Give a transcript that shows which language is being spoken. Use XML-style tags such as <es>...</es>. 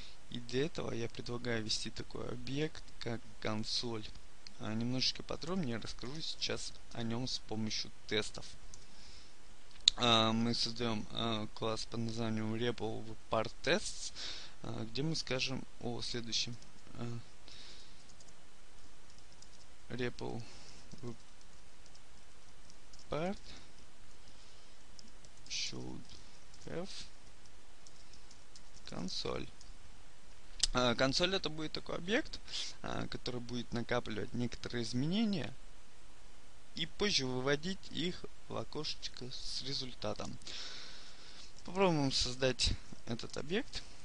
<ru>И для этого я предлагаю ввести такой объект, как консоль. Немножечко подробнее расскажу сейчас о нем с помощью тестов. Мы создаем класс под названием RebelPartTests, где мы скажем о следующем.</ru> <en>Repl part should have console.</en> <ru>Консоль — это будет такой объект, который будет накапливать некоторые изменения и позже выводить их в окошечко с результатом. Попробуем создать этот объект.</ru>